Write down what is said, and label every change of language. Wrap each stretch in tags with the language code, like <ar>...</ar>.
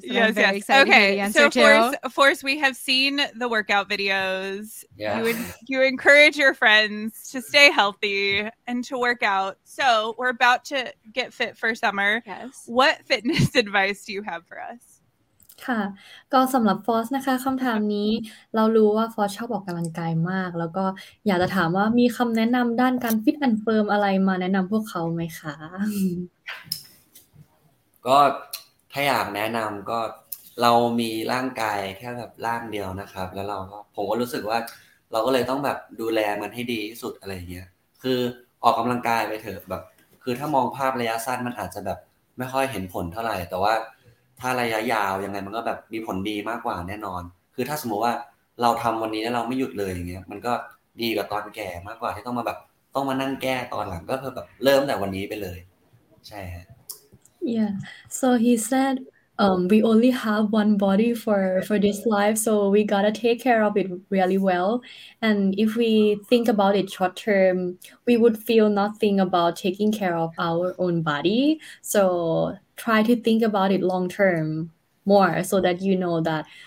<en>Yes, I'm very yes. Okay, so Force, we have seen the workout videos. Yeah. You encourage your friends to stay healthy and to work out. So we're about to get fit for summer. Yes. What fitness advice do you have for us?</en> <th>ค่ะก็สำหรับฟอสนะคะคำถามนี้เรารู้ว่าฟอสชอบออกกำลังกายมากแล้วก็อยากจะถามว่ามีคำแนะนำด้านการฟิตแอนด์เฟิร์มอะไรมาแนะนำพวกเขาไหมคะ ก็ถ้าอยากแนะนำก็เรามีร่างกายแค่แบบร่างเดียวนะครับแล้วเราก็ผมก็รู้สึกว่าเราก็เลยต้องแบบดูแลมันให้ดีที่สุดอะไรเงี้ยคือออกกำลังกายไปเถอะแบบคือถ้ามองภาพระยะสั้นมันอาจจะแบบไม่ค่อยเห็นผลเท่าไหร่แต่ว่าถ้าระยะยาวยังไงมันก็แบบมีผลดีมากกว่าแน่นอนคือถ้าสมมติว่าเราทำวันนี้แล้วเราไม่หยุดเลยอย่างเงี้ยมันก็ดีกว่าตอนแก่มากกว่าที่ต้องมาแบบต้องมานั่งแก้ตอนหลังก็เพื่อแบบเริ่มแต่วันนี้ไปเลยใช่</th> <en>Yeah so he said we only have one body for this life so we gotta take care of it really well and if we think about it short term we would feel nothing about taking care of our own body sotry to think about it long term more so that you know that</en>